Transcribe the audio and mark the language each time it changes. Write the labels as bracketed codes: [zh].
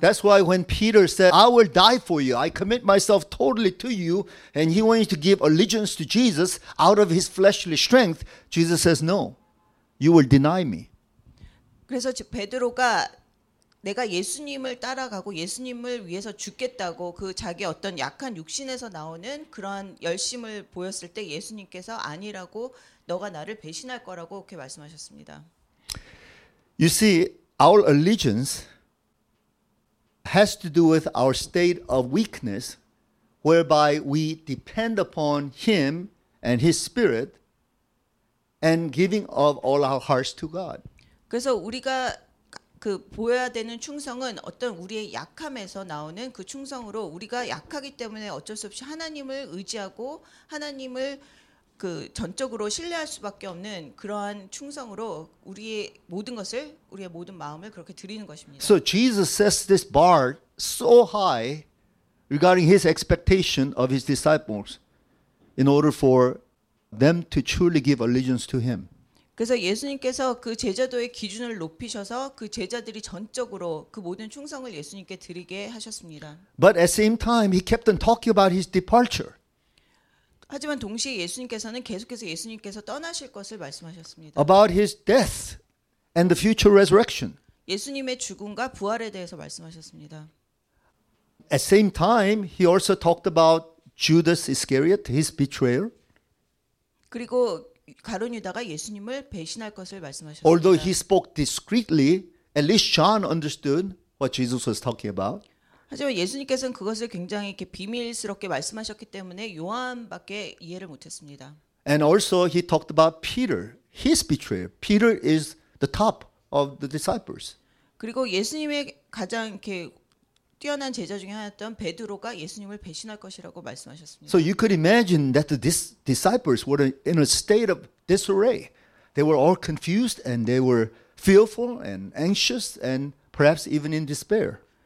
[en] That's why when Peter said, I will die for you, I commit myself totally to you, and he wanted to give allegiance to Jesus out of his fleshly strength, Jesus says, no, you will deny me. [ko] 그래서 베드로가 내가 예수님을 따라가고 예수님을 위해서 죽겠다고 그 자기 어떤 약한 육신에서 나오는 그런 열심을 보였을 때 예수님께서 아니라고 너가 나를 배신할 거라고 그렇게 말씀하셨습니다. [en] You see, our allegiance has to do with our state of weakness, whereby we depend upon Him and His Spirit and giving of all our hearts to God. [ko] 그래서 우리가 그 보여야 되는 충성은 어떤 우리의 약함에서 나오는 그 충성으로 우리가 약하기 때문에 어쩔 수 없이 하나님을 의지하고 하나님을 그 전적으로 신뢰할 수밖에 없는 그러한 충성으로 우리의 모든 것을 우리의 모든 마음을 그렇게 드리는 것입니다. [en] So Jesus sets this bar so high regarding his expectation of his disciples in order for them to truly give allegiance to him. [ko] 그래서 예수님께서 그 제자도의 기준을 높이셔서 그 제자들이 전적으로 그 모든 충성을 예수님께 드리게 하셨습니다. [en] But at the same time, he kept on talking about his departure. [ko] 하지만 동시에 예수님께서는 계속해서 예수님께서 떠나실 것을 말씀하셨습니다. [en] About his death and the future resurrection. [ko] 예수님의 죽음과 부활에 대해서 말씀하셨습니다. [en] At the same time, he also talked about Judas Iscariot, his betrayer. [ko] 그리고 가룟유다가 예수님을 배신할 것을 말씀하셨습니다. [en] Although he spoke discreetly, at least John understood what Jesus was talking about. [ko] 하지만 예수님께서는 그것을 굉장히 이렇게 비밀스럽게 말씀하셨기 때문에 요한밖에 이해를 못했습니다. [en] And also he talked about Peter, his betrayer. Peter is the top of the disciples. [ko] 그리고 예수님의 가장 이렇게 뛰어난 제자 중에 하나였던 베드로가 예수님을 배신할 것이라고 말씀하셨습니다. [en] So you could imagine that the disciples were in a state of disarray. They were all confused and they were fearful and anxious and perhaps even in despair.